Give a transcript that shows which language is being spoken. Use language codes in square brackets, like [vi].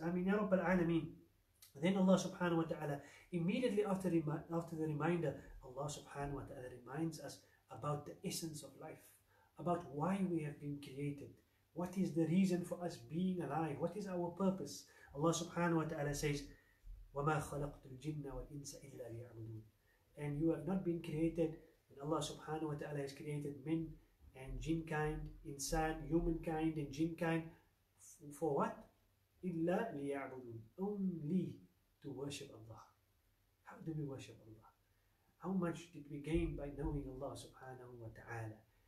[ar] Ameen ya Rabbal Alameen. [en] Then Allah subhanahu wa ta'ala, immediately after the reminder, Allah subhanahu wa ta'ala reminds us about the essence of life, about why we have been created, what is the reason for us being alive, what is our purpose. [ar] Allah subhanahu wa ta'ala says, وَمَا خَلَقْتُ الْجِنَّ وَالْإِنسَ إِلَّا لِيَعْبُدُونَ. [en] And you have not been created, and Allah subhanahu wa ta'ala has created men and jinn kind, insan, humankind and jinn kind, for what? [ar] Illa liya'budun, [en] only to worship Allah. How do we worship Allah? How much did we gain by knowing Allah subhanahu wa ta'ala?